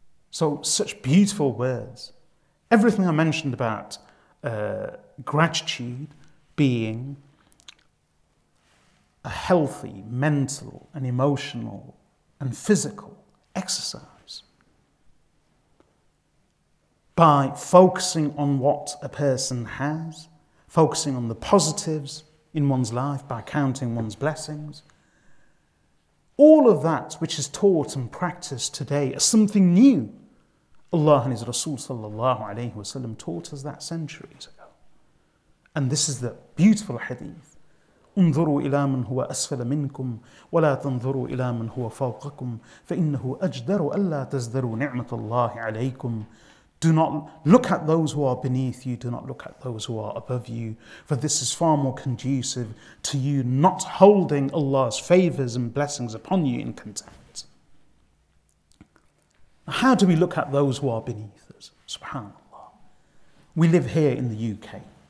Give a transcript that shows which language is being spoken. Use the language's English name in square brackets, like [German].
[English] So, such beautiful words. Everything I mentioned about gratitude being a healthy mental and emotional and physical exercise by focusing on what a person has, focusing on the positives in one's life by counting one's blessings. All of that which is taught and practiced today is something new. Allah and His Rasul sallallahu alayhi wa sallam taught us that centuries ago. And this is the beautiful hadith. [Arabic] انظروا إلى من هو أسفل منكم ولا تنظروا إلى من هو فوقكم فإنه أجدر ألا تزدروا نعمة الله عليكم. [English] Do not look at those who are beneath you, do not look at those who are above you, for this is far more conducive to you not holding Allah's favours and blessings upon you in contempt. How do we look at those who are beneath us? Subhanallah. We live here in the UK.